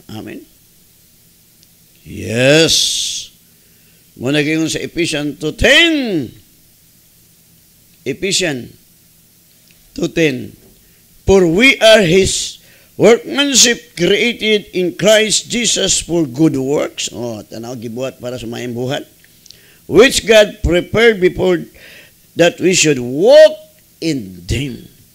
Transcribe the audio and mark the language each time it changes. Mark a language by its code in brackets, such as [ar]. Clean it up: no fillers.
[en] Amen? Yes! [ceb] Muna kayo sa Ephesians 2:10. [en] Ephesians 2:10. For we are His workmanship created in Christ Jesus for good works. [ceb] Oh, tanaw, gibuhat para sa mayang buhat. [en] Which God prepared before that we should walk in them.